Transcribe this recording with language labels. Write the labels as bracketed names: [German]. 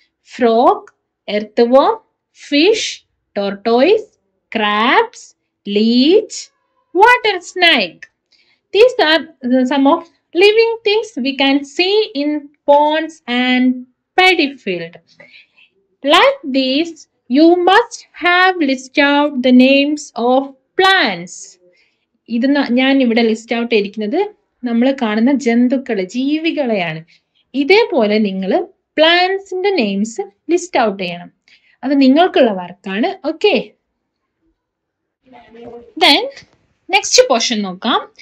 [English] Frog, earthworm, fish, tortoise, crabs, leech, water snake. These are some of living things we can see in ponds and paddy field. Like these, you must have listed out the names of plants. [Malayalam] ഇതിന് ഞാൻ ഇവിടെ list out ഇരിക്കുന്നത് നമ്മൾ കാണുന്ന ജന്തുക്കൾ, ജീവികളെയാണ്. ഇതേപോലെ നിങ്ങൾ പ്ലാന്റ്സിൻ്റെ names list out ചെയ്യണം. അത് നിങ്ങൾക്കുള്ള വർക്കാണ്. ഓക്കെ, ദെൻ നെക്സ്റ്റ് പോർഷൻ നോക്കാം.